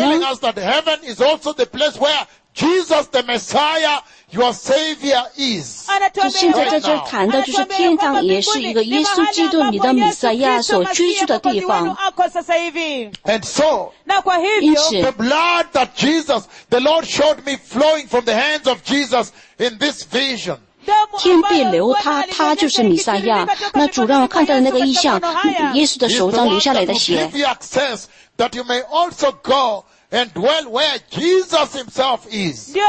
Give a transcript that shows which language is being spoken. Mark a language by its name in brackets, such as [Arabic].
[English] He's telling us that heaven is also the place where Jesus the Messiah, your Savior is. [Chinese] 就现在在这谈的就是天堂也是一个耶稣基督你的弥赛亚所居住的地方。 [English] And so, [Chinese] 因此, [English] the blood that Jesus, the Lord showed me flowing from the hands of Jesus in this vision. [Chinese] 天必留他，他就是弥赛亚。那主让我看到的那个异象，耶稣的手掌流下来的血。 [English] Give you access that you may also go and dwell where Jesus himself is.